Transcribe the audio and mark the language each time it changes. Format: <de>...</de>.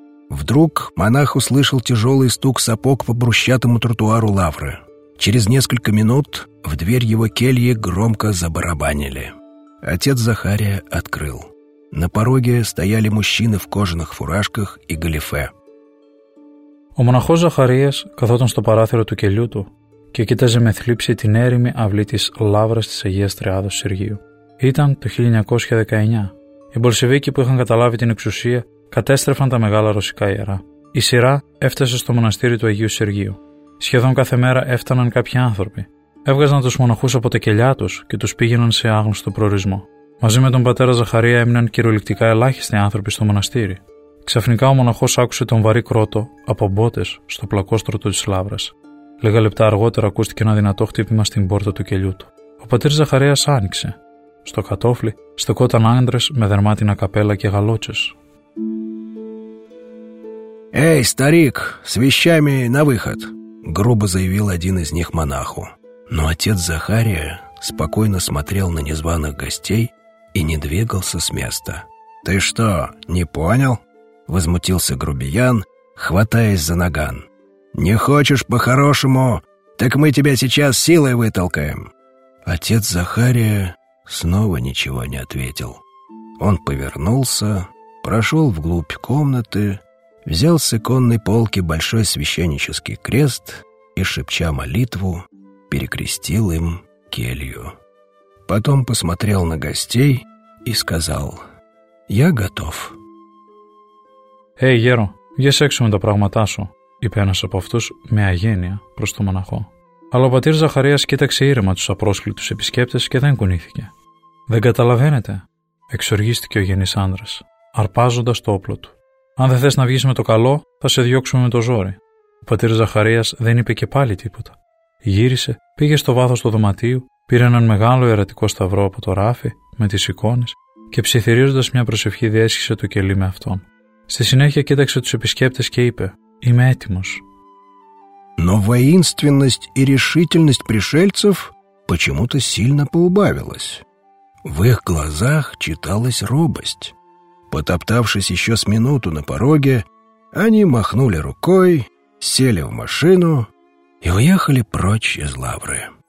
<ru>Вдруг монах услышал тяжелый стук сапог по брусчатому тротуару лавры. Через несколько минут в дверь его кельи громко забарабанили. Отец Захария открыл. На пороге стояли мужчины в кожаных фуражках и галифе.</ru> <el>Ο монахός Захарίας καθόταν στο παράθυρο του κελιού του και κοίταζε με θλίψη την έρημη αυλή της Λαύρας της Αγίας Τριάδος Σεργίου. Ήταν το 1919. Οι Μπολσεβίκοι που είχαν καταλάβει την εξουσία κατέστρεφαν τα μεγάλα ρωσικά ιερά. Η σειρά έφτασε στο μοναστήρι του Αγίου Σεργίου. Σχεδόν κάθε μέρα έφταναν κάποιοι άνθρωποι. έβγαζαν τους μοναχούς από τα κελιά τους και τους πήγαιναν σε άγνωστο προορισμό. Μαζί με τον πατέρα Ζαχαρία έμειναν κυριολεκτικά ελάχιστοι άνθρωποι στο μοναστήρι. Ξαφνικά ο μοναχός άκουσε τον βαρύ κρότο από μπότες στο πλακόστρωτο της λάβρας. Λίγα λεπτά αργότερα ακούστηκε ένα δυνατό χτύπημα στην πόρτα του κελιού του. Ο πατήρ Ζαχαρίας άνοιξε. Στο κατόφλι στεκόταν άντρες με δερμάτινα καπέλα και γαλότσες.</el> <ru>«Эй, старик, с вещами на выход!» грубо заявил один из них монаху. Но отец Захария спокойно смотрел на незваных гостей и не двигался с места. «Ты что, не понял?» возмутился грубиян, хватаясь за наган. «Не хочешь по-хорошему, так мы тебя сейчас силой вытолкаем!» Отец Захария снова ничего не ответил. Он повернулся, прошел вглубь комнаты, взял с иконной полки большой священнический крест и, шепча молитву, перекрестил им келью. Потом посмотрел на гостей и сказал: «Я готов».</ru> <el>«Эй, Геро, вьес έξω με τα πράγματά σου», είπε ένας από αυτούς με αγένεια προς τον μοναχό. Αλλά ο πατήρ Ζαχαρίας κοίταξε ήρεμα τους απρόσκλητους επισκέπτες και δεν κουνήθηκε. «Δεν καταλαβαίνετε», εξοργίστηκε ο γενής άντρας, αρπάζοντας το όπλο του. «Αν δεν θες να βγεις με το καλό, θα σε διώξουμε με το ζόρι». Ο πατήρ Ζαχαρίας δεν είπε και πάλι τίποτα. Γύρισε, πήγε στο βάθος του δωματίου, πήρε έναν μεγάλο ιερατικό σταυρό από το ράφι με τις εικόνες και ψιθυρίζοντας μια προσευχή διέσχισε το κελί με αυτόν. Στη συνέχεια κοίταξε τους επισκέπτες και είπε: «Είμαι έτοιμος».</el> <ru>Но воинственность и решительность пришельцев почему-то сильно поубавилась. В их глазах читалась робость. Потоптавшись еще с минуту на пороге, они махнули рукой, сели в машину и уехали прочь из лавры.</ru>